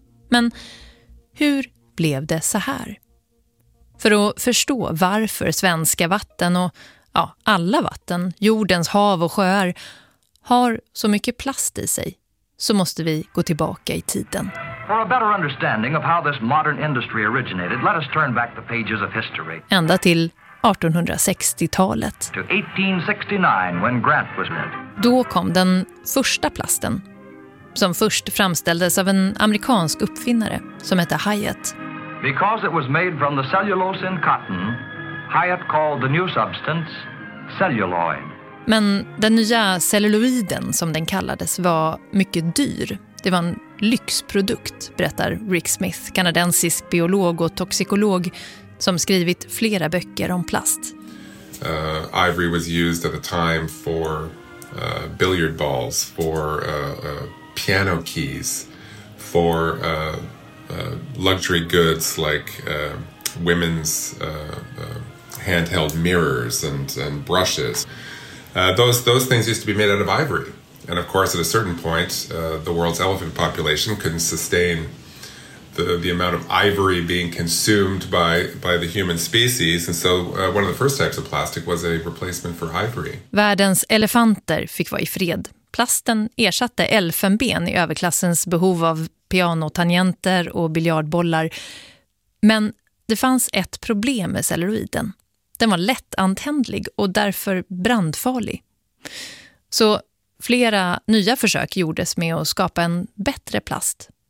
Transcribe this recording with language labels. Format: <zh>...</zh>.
<sv>Men hur blev det så här? För att förstå varför svenska vatten och ja, alla vatten, jordens hav och sjöar, har så mycket plast i sig, så måste vi gå tillbaka i tiden.</sv> <en>For a better understanding of how this modern industry originated, let us turn back the pages of history.</en> <sv>Ända till 1860-talet.</sv> <en>To 1869 when Grant was made.</en> <sv>Då kom den första plasten, som först framställdes av en amerikansk uppfinnare som hette Hyatt.</sv> <en>Because it was made from the cellulose in cotton, Hyatt called the new substance celluloid.</en> <sv>Men den nya celluloiden, som den kallades, var mycket dyr. Det var en lyxprodukt, berättar Rick Smith, kanadensisk biolog och toxikolog som skrivit flera böcker om plast.</sv> <en>Ivory was used at the time for billiard balls, for piano keys, for luxury goods like women's handheld mirrors and brushes. Those things used to be made out of ivory. And of course, at a certain point, the world's elephant population couldn't sustain the amount of ivory being consumed by the human species. And so one of the first types of plastic was a replacement for ivory.</en> <sv>Världens elefanter fick vara i fred. Plasten ersatte elfenben i överklassens behov av pianotangenter och biljardbollar. Men det fanns ett problem med celluloiden. Den var lätt antändlig och därför brandfarlig. Så flera nya försök gjordes med att skapa en bättre plast.</sv>